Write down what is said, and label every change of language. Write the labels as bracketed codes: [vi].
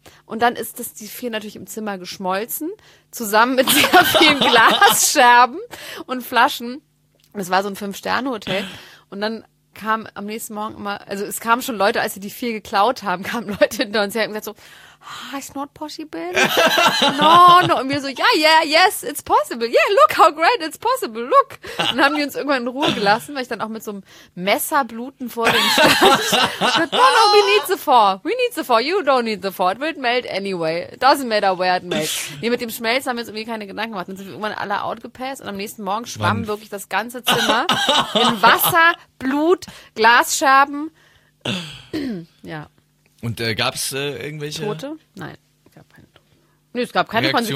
[de] Und dann ist das die 4 natürlich im Zimmer geschmolzen, zusammen mit sehr vielen Glasscherben und Flaschen. Das war so ein 5-Sterne-Hotel. Und dann kam am nächsten Morgen immer, also es kamen schon Leute, als sie die 4 geklaut haben, kamen Leute hinter uns her und gesagt so, [en] it's not possible. No, no. [de] Und wir so, [en] yes, it's possible. Yeah, look how great, it's possible, look. [de] Und dann haben die uns irgendwann in Ruhe gelassen, weil ich dann auch mit so einem Messer bluten vor dem Stand. Ich dachte, [en] no, we need the four, you don't need the four, it will melt anyway, it doesn't matter where it melts. [de] Nee, mit dem Schmelzen haben wir uns irgendwie keine Gedanken gemacht. Dann sind wir irgendwann alle outgepasst und am nächsten Morgen schwamm wirklich das ganze Zimmer in Wasser, Blut, Glasscherben. Ja. Und gab es irgendwelche... Tote? Nein, gab keine Tote. Nee, es gab keine Reaktion?